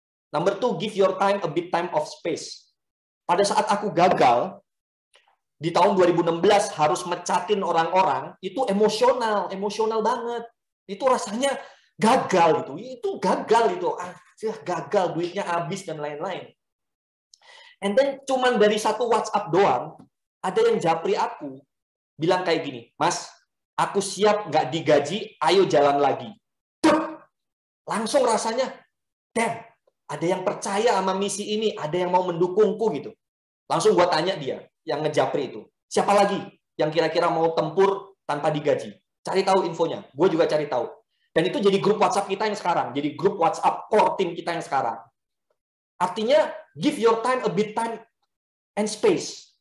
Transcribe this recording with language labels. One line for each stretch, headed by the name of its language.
English: Number two, give your time a bit time of space.
Indonesian: Pada saat aku gagal, di tahun 2016 harus mecatin orang-orang, itu emosional banget. Itu rasanya gagal itu. Itu gagal itu. Gagal, duitnya habis dan lain-lain. And then cuman dari satu WhatsApp doang, ada yang japri aku, bilang kayak gini, Mas, aku siap nggak digaji, ayo jalan lagi. Duh! Langsung rasanya, damn, ada yang percaya sama misi ini, ada yang mau mendukungku gitu. Langsung gua tanya dia, yang ngejapri itu. Siapa lagi yang kira-kira mau tempur tanpa digaji? Cari tahu infonya, gue juga cari tahu. Dan itu jadi grup WhatsApp kita yang sekarang. Jadi grup WhatsApp core team kita yang sekarang.
English: Artinya, give your time a bit time and space.